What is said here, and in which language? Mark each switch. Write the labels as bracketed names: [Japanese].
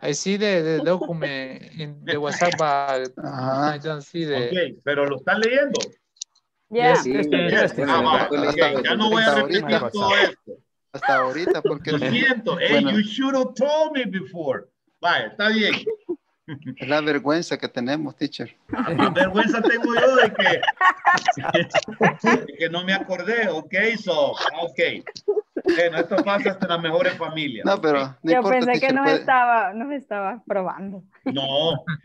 [English] I see the document in the WhatsApp, but uh-huh. I don't see the... [Spanish] Okay, pero lo están leyendo. [English] Yes. [Spanish] Ya no voy a repetir ahorita, todo esto. Hasta ahorita, porque... Lo siento. Hey, bueno. [English] You should have told me before. [Spanish] Vaya, está bien. Es la vergüenza que tenemos, teacher. La vergüenza tengo yo de que no me acordé. [English] Okay, so, okay. [Spanish] Bueno, esto pasa hasta las mejores familias. No, pero ¿sí? Yo pensé que nos estaba, nos estaba probando. No,